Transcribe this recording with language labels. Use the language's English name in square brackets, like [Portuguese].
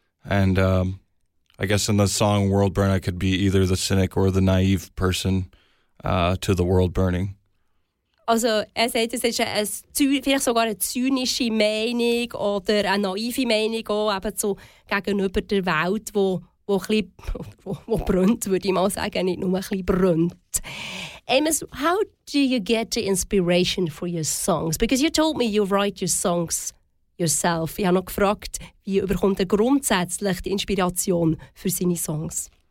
[English] And I guess in the song World Burn, I could be either the cynic or the naive person to the world burning. [German] Also er sagt, es ist vielleicht sogar eine zynische Meinung oder eine naive Meinung auch, eben so gegenüber der Welt, wo brennt, würde ich mal sagen, nicht nur ein bisschen brennt. [English] Amos, how do you get the inspiration for your songs? Because you told me you write your songs yourself. [German] Ich habe noch gefragt, wie überkommt er grundsätzlich die Inspiration für seine Songs?